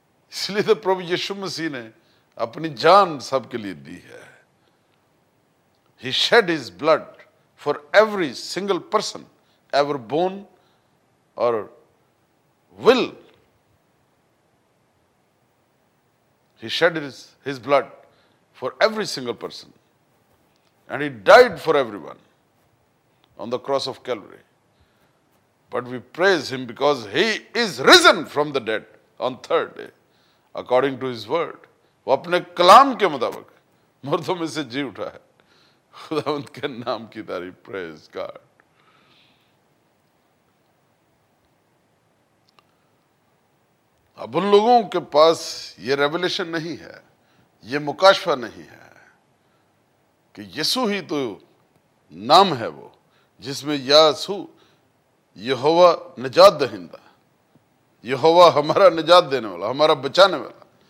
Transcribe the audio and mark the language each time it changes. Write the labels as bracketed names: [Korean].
[Urdu] اس لیے تو پربھو یشو مسیح نے اپنی جان سب کے لیے دی ہے. [English] He shed his blood for every single person ever born or will. He shed his blood for every single person and he died for everyone on the cross of Calvary. But we praise him because he is risen from the dead on third day according to his word. [Urdu] وہ اپنے کلام کے مطابق مردوں میں سے جی اٹھا ہے. خداوند کے نام کی تعریف. [English] Praise God. [Urdu] اب ان لوگوں کے پاس یہ ریولیشن نہیں ہے, یہ مکاشفہ نہیں ہے کہ یسوع ہی تو نام ہے وہ جس میں یاسو, یہوہ نجات دہندہ, یہوہ ہمارا نجات دینے والا, ہمارا بچانے والا.